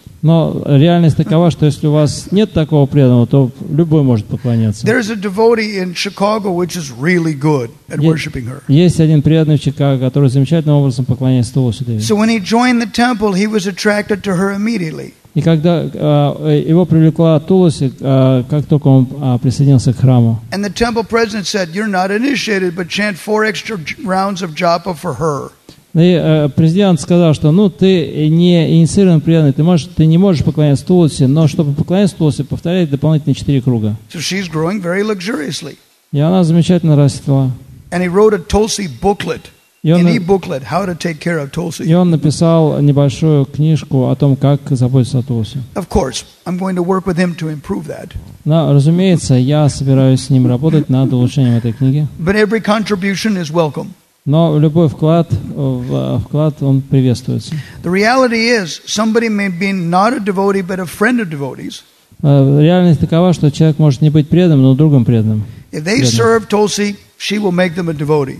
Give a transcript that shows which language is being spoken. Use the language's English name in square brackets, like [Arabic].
[Russian] Но реальность такова, что если у вас нет такого преданного, то любой может поклоняться. [English] There is a devotee in Chicago, which is really good at worshiping her. [Russian] Есть один преданный в Чикаго, который замечательным образом поклоняется Тулси Деви. [English] So when he joined the temple, he was attracted to her immediately. [Russian] И когда его привлекла Тулси, как только он присоединился к храму. [English] And the temple president said, "You're not initiated, but chant 4 extra rounds of japa for her." [Russian] И президент сказал, что ну ты не инициирован преданный, ты не можешь поклоняться Тулси, но чтобы поклоняться Тулси, повторяй дополнительные 4 круга. [English] So she's growing very luxuriously. [Russian] И она замечательно растила. [English] And he wrote a Tulsi booklet, an e-booklet, how to take care of Tulsi. [Russian] И он написал небольшую книжку о том, как заботиться о Тулси. [English] Of course, I'm going to work with him to improve that. [Russian] Но, разумеется, я собираюсь с ним работать над улучшением этой книги. [English] But every contribution is welcome. [Russian] Но любой вклад он приветствуется. [English] The reality is, somebody may be not a devotee, but a friend of devotees. [Russian] Реальность такова, что человек может не быть преданным, но другом преданным. [English] If they serve Tulsi, she will make them a devotee.